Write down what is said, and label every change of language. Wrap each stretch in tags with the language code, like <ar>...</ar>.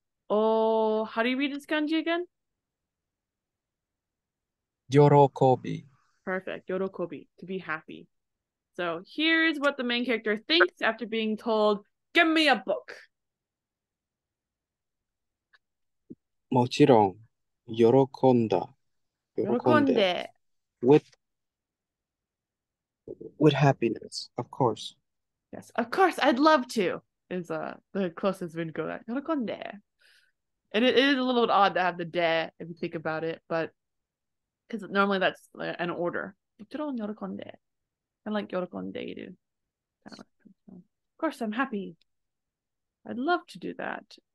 <en>Oh, how do you read this kanji again?</en> <ja>Yorokobi.</ja> <en>Perfect. Yorokobi, to be happy. So here's what the main character thinks after being told, give me a book.</en> <ja>もちろん喜んだ喜んで Yorokonde.</ja> <en>with happiness, of course. Yes, of course, I'd love to, is the closest we'd go that. Yorokonde. And it is a little bit odd to have the de if you think about it, but because normally that's an order. Yorokonde. I like</en> <ja>yorokonde iru.</ja> <en>Of course, I'm happy. I'd love to do that.</en>